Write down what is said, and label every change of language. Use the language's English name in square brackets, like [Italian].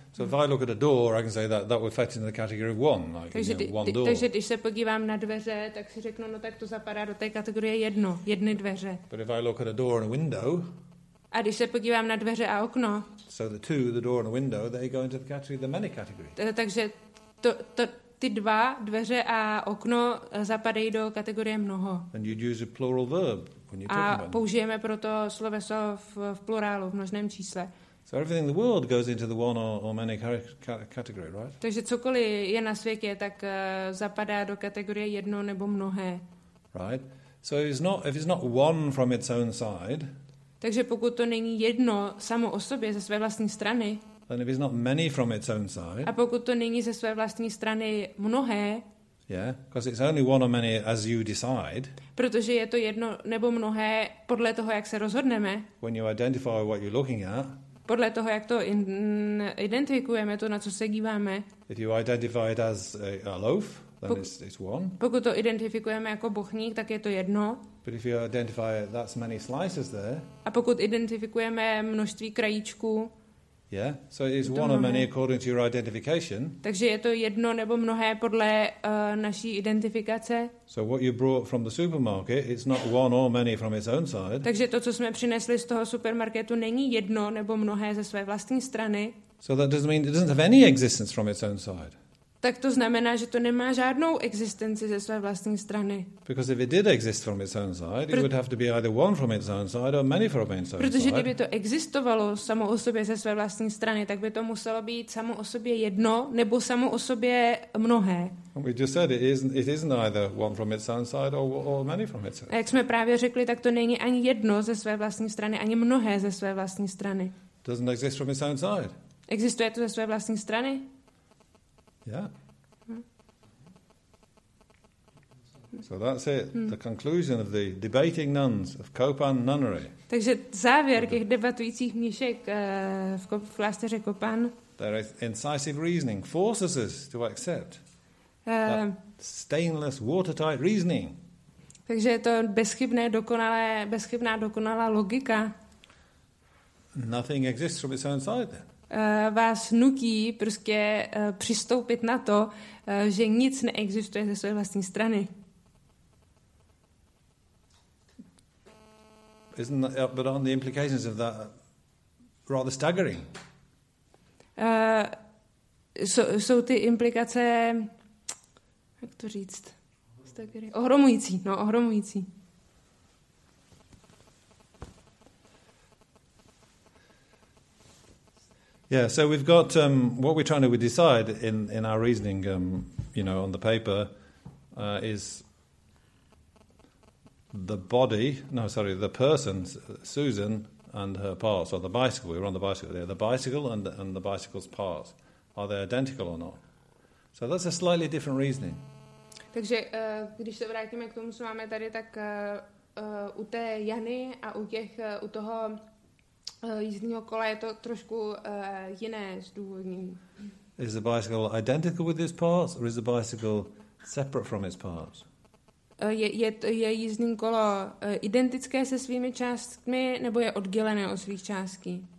[English] So if I look at a door, I can say that would fit into the category of one, like, [Czech] takže, [English] you know, one door. [Czech] Takže když se podívám na dveře, tak si řeknu, no tak to zapadá do té kategorie jedno, jedny dveře. [English] But if I look at a door and a window, [Czech] a když se podívám na dveře a okno, [English] so the two, the door and the window, they go into the category, the many category. [Czech] Takže ty dva, dveře a okno, zapadají do kategorie mnoho. [English] And you'd use a plural verb when you're talking about. [Czech] A použijeme proto sloveso v plurálu, v množném čísle. [English] So everything in the world goes into the one or many category, right? [Czech] Takže cokoliv je na světě, tak zapadá do kategorie jedno nebo mnohé. [English] Right. So if it's not one from its own side. [Czech] Takže pokud to není jedno samo o sobě ze své vlastní strany, [English] then if it's not many from its own side, [Czech] a pokud to není ze své vlastní strany mnohé, [English] yeah, because it's only one or many as you decide, [Czech] protože je to jedno nebo mnohé podle toho, jak se rozhodneme, [English] when you identify what you're looking at, [Czech] podle toho, jak to identifikujeme, to, na co se díváme. [English] If you identify it as a loaf, then it's one. [Czech] Pokud to identifikujeme jako bochník, tak je to jedno. [English] But if you identify that's many slices there. [Czech] A pokud identifikujeme množství krajíčků. [English] Yeah, so it is one or many according to your identification. [Czech] Takže je to jedno nebo mnohé podle naší identifikace. [English] So what you brought from the supermarket, it's not one or many from its own side. [Czech] Takže to, co jsme přinesli z toho supermarketu, není jedno nebo mnohé ze své vlastní strany. [English] So that doesn't mean it doesn't have any existence from its own side. [Czech] Tak to znamená, že to nemá žádnou existenci ze své vlastní strany. [English] Because if it did exist from its own side, it would have to be either one from its own side or many from its own side. [Czech] Protože kdyby to existovalo samo o sobě ze své vlastní strany, tak by to muselo být samo o sobě jedno nebo samo o sobě mnohé. [English] We just said it isn't either one from its own side or many from its own. [Czech] A jak jsme právě řekli, tak to není ani jedno ze své vlastní strany, ani mnohé ze své vlastní strany. [English] Doesn't exist from its own side. [Czech] Existuje to ze své vlastní strany? [English] Yeah. So that's it. The conclusion of the debating nuns of Copan Nunnery. [Czech] Takže závěr těch debatujících mnišek v klášteře Copan. [English] Their incisive reasoning forces us to accept that stainless, watertight reasoning. [Czech] Takže je to bezchybná dokonalá logika. [English] Nothing exists from its own side. [Czech] Vás nutí prostě přistoupit na to, že nic neexistuje ze své vlastní strany. [English] But on the implications of that rather staggering. [Czech] Jsou ty implikace, jak to říct, staggering. Ohromující. [English] Yeah, so we've got what we're trying to decide in our reasoning, on the paper, is the person, Susan, and her parts, or the bicycle. We were on the bicycle. Yeah, the bicycle and the bicycle's parts. Are they identical or not? So that's a slightly different reasoning. [Czech] Takže když se vrátíme k tomu, co máme tady, tak u té Jany a u toho jízdního kola je to trošku jiné zdůvodnění. [English] Is the bicycle identical with its parts, or is the bicycle separate from its parts? [Czech] Je jízdní kolo identické se svými částmi, nebo je oddělené od svých částí?